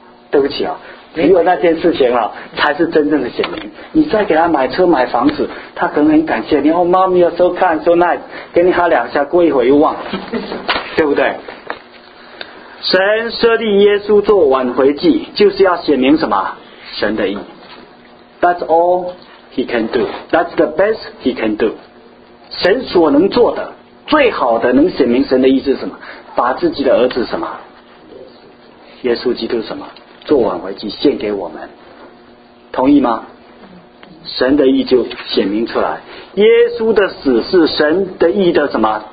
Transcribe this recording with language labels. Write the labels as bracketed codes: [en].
[zh] 对不起啊，只有那件事情啊才是真正的显明。你再给他买车买房子，他可能很感谢你，哦妈咪有时候看说那给你哈两下，过一会又忘了，对不对？神设立耶稣做挽回祭，就是要显明什么？神的义。 [en] That's all he can do， That's the best he can do。 [zh] 神所能做的最好的能显明神的义是什么？把自己的儿子什么耶稣基督什么做挽回祭献给我们，同意吗？神的义就显明出来。耶稣的死是神的义的什么？